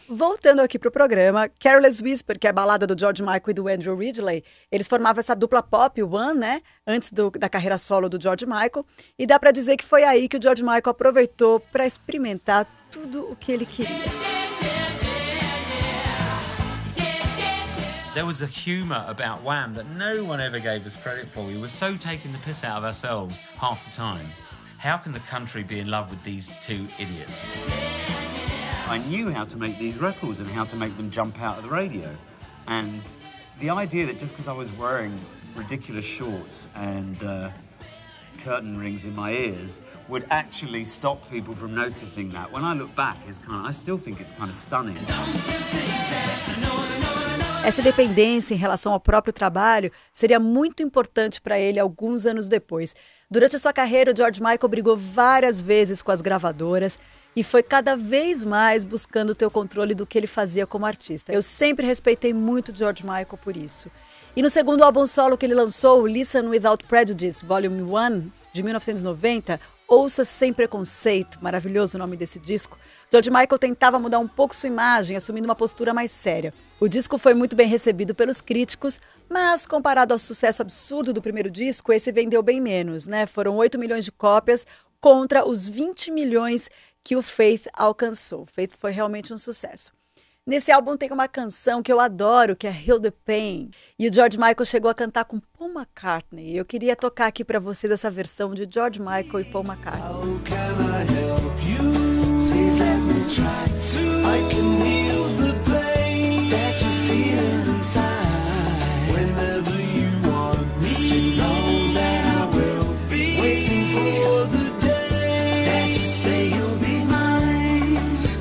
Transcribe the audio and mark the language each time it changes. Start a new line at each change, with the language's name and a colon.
Portuguese: Voltando aqui pro programa, Careless Whisper, que é a balada do George Michael e do Andrew Ridgeley, eles formavam essa dupla pop, One, né? Antes da carreira solo do George Michael. E dá pra dizer que foi aí que o George Michael aproveitou pra experimentar tudo o que ele queria.
English: There was a humor about Wham that no one ever gave us credit for. We were so taking the piss out of ourselves half the time. How can the country be in love with these two idiots? Yeah, yeah. I knew how to make these records and how to make them jump out of the radio. And the idea that just because I was wearing ridiculous shorts and curtain rings in my ears would actually stop people from noticing that, when I look back, it's kind of, I still think it's kind of stunning.
Portuguese: Essa dependência em relação ao próprio trabalho seria muito importante para ele alguns anos depois. Durante a sua carreira, o George Michael brigou várias vezes com as gravadoras e foi cada vez mais buscando ter o controle do que ele fazia como artista. Eu sempre respeitei muito o George Michael por isso. E no segundo álbum solo que ele lançou, Listen Without Prejudice, Volume 1, de 1990, ouça Sem Preconceito, maravilhoso o nome desse disco, George Michael tentava mudar um pouco sua imagem, assumindo uma postura mais séria. O disco foi muito bem recebido pelos críticos, mas comparado ao sucesso absurdo do primeiro disco, esse vendeu bem menos, né? Foram 8 milhões de cópias contra os 20 milhões que o Faith alcançou. Faith foi realmente um sucesso. Nesse álbum tem uma canção que eu adoro, que é Heal the Pain. E o George Michael chegou a cantar com Paul McCartney. Eu queria tocar aqui pra vocês essa versão de George Michael e Paul McCartney.
English: How can I help you? Please let me try to. I can heal the pain that you feel inside. Whenever you want me, you know that I will be waiting for the day that you say you'll be mine.